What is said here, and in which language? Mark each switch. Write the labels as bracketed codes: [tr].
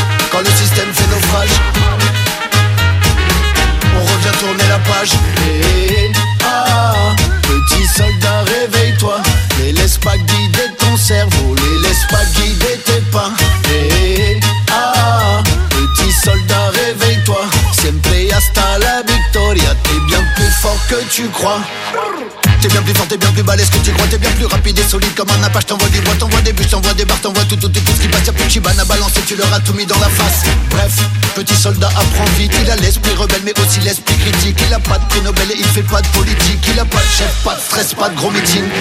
[fr] Quand le système fait naufrage, on revient tourner la page. Petit soldat, réveille-toi. Ne laisse pas guider ton cerveau, ne laisse pas guider tes pas. Petit soldat, réveille-toi. [es] Siempre hasta la victoria. [fr] T'es bien plus fort que tu crois. T'es bien plus fort, t'es bien plus balèze que tu crois. T'es bien plus rapide et solide comme un apache. T'envoies du bois, t'envoies des bûches, t'envoies des barres. T'envoies tout ce qui passe, y'a plus de chibane à balancer. Tu leur as tout mis dans la face. Bref, petit soldat apprend vite. Il a l'esprit rebelle mais aussi l'esprit critique. Il a pas de prix Nobel et il fait pas de politique. Il a pas de chef, pas de stress, pas de gros meeting.